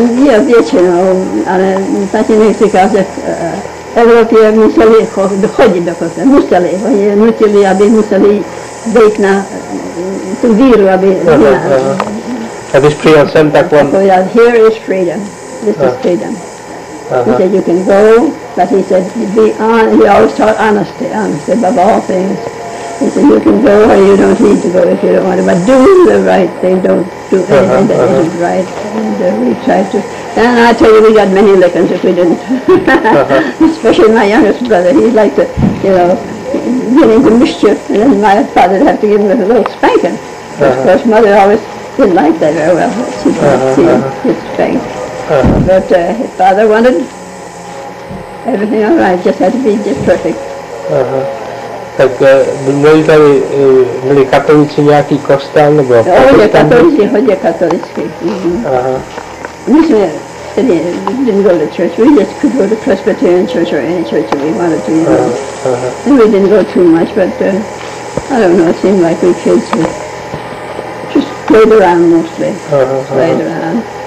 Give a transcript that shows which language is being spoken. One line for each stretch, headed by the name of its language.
Czech: Je většinou, ale tady nechci říkat, že v Evropě museli chodit dokonce, museli, oni nutili, aby museli být na tu víru, aby měla. A když přijel jsem, tak on...
English: So, yeah, here is freedom. This is freedom. Aha. He said, you can go, but he said, be honest. He always taught honesty, honesty above all things. He said, you can go or you don't need to go if you don't want to, but do the right thing. Don't do anything that isn't right. And we tried to... And I tell you, we got many lickings if we didn't. Especially my youngest brother. He liked to, you know, get into mischief. And then my father would have to give him a little spanking. Of course, mother always... didn't like that very well, she didn't see his face. But his father wanted everything all right, just had to be just perfect.
Czech: Tak byli tady byli katolíci nějaký kostel nebo katolíci? Katolíci, hodně katolíci. My jsme tedy
English: didn't go to church, we just could go to Presbyterian church or any church that we wanted to, you know. And we didn't go too much, but I don't know, it seemed like we kids were played around mostly, played around.